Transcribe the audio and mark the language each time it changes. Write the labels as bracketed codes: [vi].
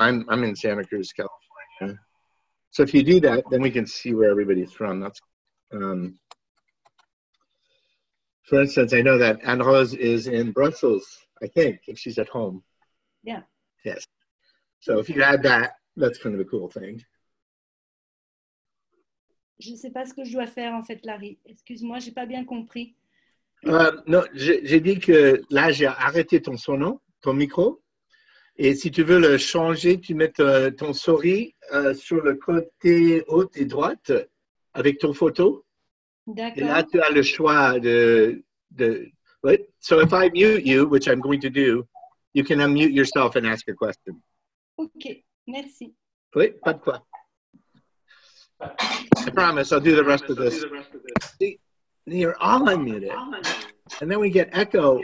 [en] I'm in Santa Cruz, California. So if you do that, then we can see where everybody's from. That's, for instance, I know that Anne-Rose is in Brussels, I think, if she's at home. Yeah. Yes. So if you add that, that's kind of a cool thing. [fr] Je ne sais pas ce que je dois faire, en fait, Larry. Excuse-moi, je n'ai pas bien compris. Non, j'ai dit que là, j'ai arrêté ton sonon, ton micro. Et si tu veux le changer, tu mets ton souris sur le côté haut et droite avec ton photo. D'accord. Et là, tu as le choix de... [en] Right? So if I mute you, which I'm going to do, you can unmute yourself and ask a question. [fr] OK, merci. Oui, pas de quoi. [en] I promise I'll do the rest of this. See, you're all unmuted. And then we get echo.